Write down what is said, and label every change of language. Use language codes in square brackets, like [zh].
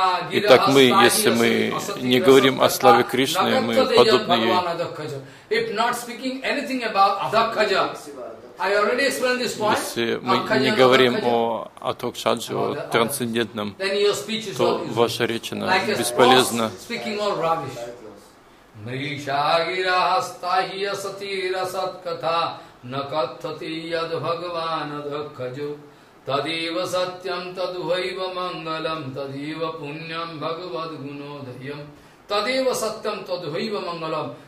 [ru] Итак, мы, если мы не говорим о славе Кришны, мы подобны ей. [en] If not speaking anything about Adhakaja, I already explained this point. [ru] Если мы не говорим о Адхакшаджи, о трансцендентном, то ваша речь, она бесполезна. [en] Speaking all rubbish. [sa] Мришагирахастахия сатирасатката накаттати яд бхагаван Адхакаджо тадива сатьям тадхайва мангалам тадива пуньям бхагавад гуно дхайям тадива сатьям тадхайва мангалам.